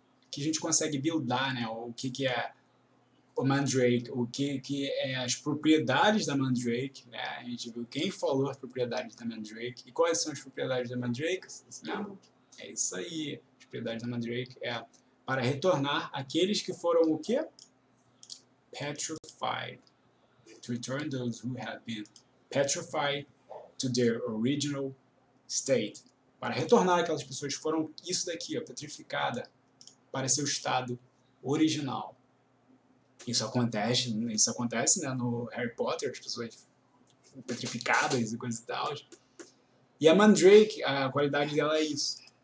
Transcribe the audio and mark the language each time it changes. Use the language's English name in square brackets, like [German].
[Portuguese] Que a gente consegue buildar, né? O que é o Mandrake. O que é as propriedades da Mandrake. Né? A gente viu quem falou as propriedades da Mandrake. E quais são as propriedades da Mandrake? É isso aí. As propriedades da Mandrake é para retornar aqueles que foram o quê? [English] Petrified. To return those who have been petrified to their original state. [Portuguese] Para retornar aquelas pessoas que foram isso daqui, ó, petrificada, para seu estado original. Isso acontece, né, no Harry Potter, as pessoas petrificadas e coisas e tal. E a Mandrake, a qualidade dela é isso.